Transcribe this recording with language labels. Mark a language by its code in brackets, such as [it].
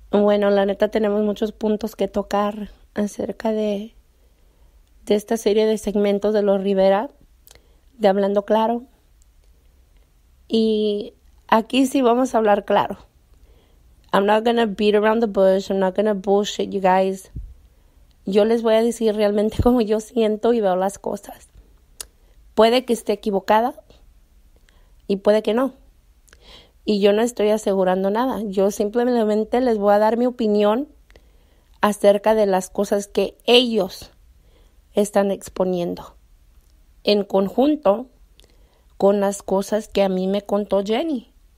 [es] Bueno, la neta tenemos muchos puntos que tocar acerca de esta serie de segmentos de los Rivera, de Hablando Claro. Y aquí sí vamos a hablar claro. [en] I'm not gonna beat around the bush, I'm not gonna bullshit you guys. [es] Yo les voy a decir realmente cómo yo siento y veo las cosas. Puede que esté equivocada y puede que no. Y yo no estoy asegurando nada. Yo simplemente les voy a dar mi opinión acerca de las cosas que ellos están exponiendo en conjunto con las cosas que a mí me contó Jenny.